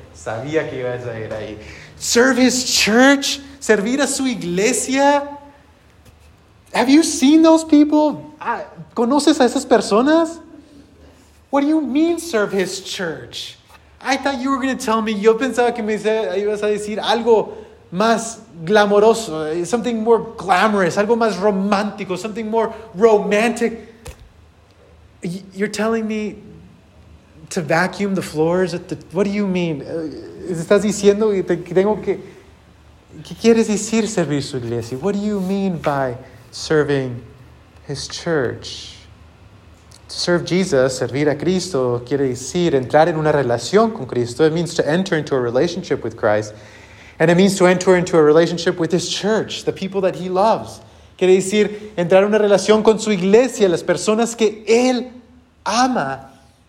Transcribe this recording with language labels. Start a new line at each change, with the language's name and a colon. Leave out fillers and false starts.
Spanish: Sabía que ibas a ir ahí.
English: Serve His church?
Spanish: Servir a su iglesia?
English: Have you seen those people?
Spanish: ¿Conoces a esas personas?
English: What do you mean serve His church? I thought you were going to tell me.
Spanish: Yo pensaba que me ibas a decir algo más glamoroso.
English: Something more glamorous.
Spanish: Algo más romántico.
English: Something more romantic. You're telling me to vacuum the floors? What do you mean?
Spanish: ¿Estás diciendo que tengo que... ¿Qué quieres decir servir su iglesia?
English: What do you mean by serving His church? To serve Jesus,
Spanish: servir a Cristo, quiere decir entrar en una relación con Cristo.
English: It means to enter into a relationship with Christ. And it means to enter into a relationship with His church, the people that He loves.
Spanish: Quiere decir entrar en una relación con su iglesia, las personas que Él ama.